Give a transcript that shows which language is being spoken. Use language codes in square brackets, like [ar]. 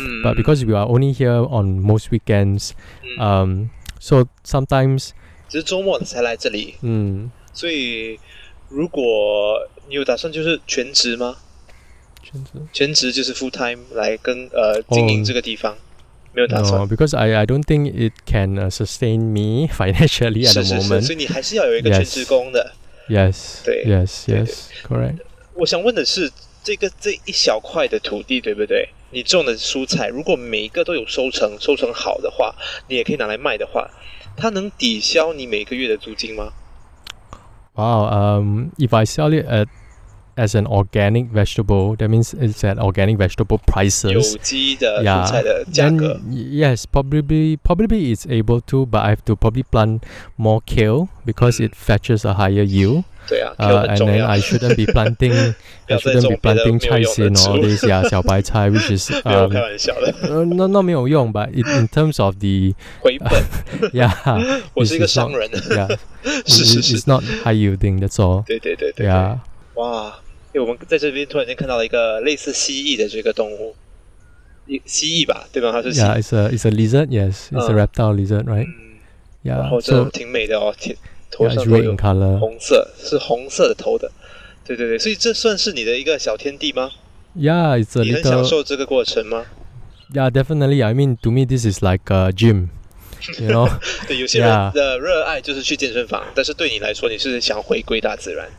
[en] But because we are only here on most weekends, so sometimes. [zh] 只是周末才来这里。嗯，所以如果你有打算就是全职吗？全职就是 [en] full time [zh] 来跟经营这个地方，没有打算。 [en] No, because I don't think it can sustain me financially at the moment. [zh] 是，所以你还是要有一个全职工的。 [en] Yes. [zh] 对。 [en] Yes. Yes. Correct. [zh] 我想问的是，这一小块的土地，对不对？你种的蔬菜，如果每一个都有收成好的话，你也可以拿来卖的话，它能抵消你每个月的租金吗 [en] ？Wow. If I sell it as an organic vegetable, that means it's at organic vegetable prices. [zh] 有机的蔬菜的价格。 [en] And yes, probably it's able to, but I have to probably plant more kale because it fetches a higher yield. [zh] 对啊，kale 很重要。 [en] And then I shouldn't be planting, chai sin or all these, yeah, 小白菜, which is [zh] 没有开玩笑的。 [en] Not [zh] 没有用, [en] but in terms of the [zh] 回本, [en] yeah, [zh] 我是一个商人。 [en] Yeah, [zh] 是 [en] it's not high yielding. That's all. [zh] 对。 [en] Yeah. [zh] 哇，因为我们在这边突然间看到了一个类似蜥蜴的这个动物，蜥蜴吧，对吧？它是蜥蜴。 [en] Yeah, it's a lizard. Yes, it's a reptile lizard, right? Yeah. [zh] 然后这挺美的哦，头上都有红色， [en] yeah, [zh] 是红色的头的。对，所以这算是你的一个小天地吗 [en] ？Yeah, it's a little. [zh] 你很享受这个过程吗 [en] ？Yeah, definitely. I mean, to me, this is like a gym. You know, [zh] 对有些人的热爱就是去健身房， [en] yeah. [zh] 但是对你来说，你是想回归大自然，